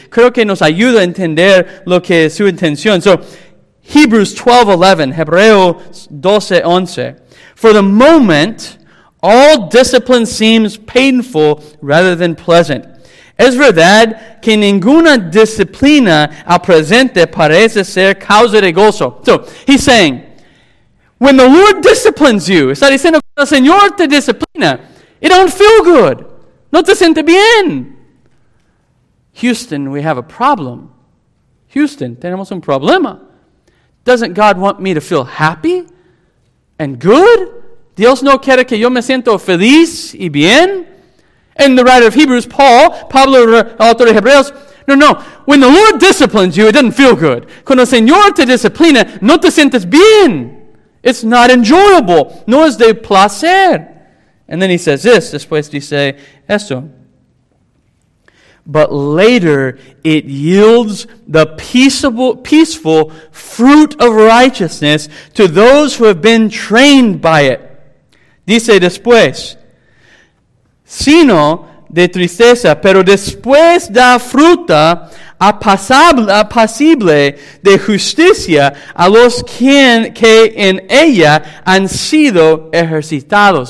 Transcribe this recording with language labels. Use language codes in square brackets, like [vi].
[es] Creo que nos ayuda a entender lo que es su intención. [en] So, Hebreos 12:11. For the moment, all discipline seems painful rather than pleasant. [es] Es verdad que ninguna disciplina al presente parece ser causa de gozo. [en] So, he's saying, when the Lord disciplines you, [es] está diciendo que el Señor te disciplina, [en] it don't feel good. [es] No te siente bien. [en] Houston, we have a problem. [es] Houston, tenemos un problema. [en] Doesn't God want me to feel happy and good? [es] Dios no quiere que yo me siento feliz y bien? [en] And the writer of Hebrews, Pablo, author of Hebreos, no. When the Lord disciplines you, it doesn't feel good. [es] Cuando el Señor te disciplina, no te sientes bien. [en] It's not enjoyable. [es] No es de placer. [en] And then he says this, [es] después dice esto. [en] But later, it yields the peaceful fruit of righteousness to those who have been trained by it. [es] Dice después, sino de tristeza, pero después da fruta apacible de justicia a los que en ella han sido ejercitados.